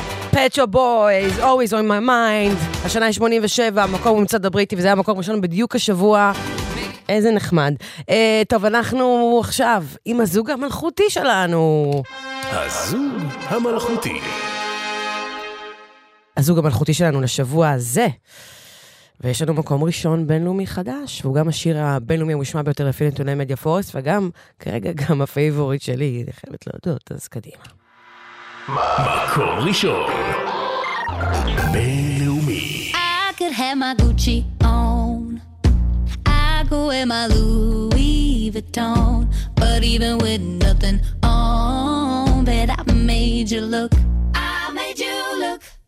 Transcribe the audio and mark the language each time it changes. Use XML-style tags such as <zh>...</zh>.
<he>פצ'ו בויז, always on my mind. השנה 87, מקום במצעד הבריטי, וזה היה מקום ראשון בדיוק השבוע. איזה נחמד. טוב, אנחנו עכשיו עם הזוג המלכותי שלנו. הזוג המלכותי. הזוג המלכותי שלנו לשבוע הזה. ויש לנו מקום ראשון בינלאומי חדש, והוא גם השיר הבינלאומי המושמע ביותר לפי נתוני מדיה פורס, וגם, כרגע, גם הפייבורית שלי, אני חייבת להודות, אז קדימה. מקום ראשון בינלאומי.</he> <en>I could have my Gucci on, I could wear my Louis Vuitton, but even with nothing on, but I made you look, I made you look.</en>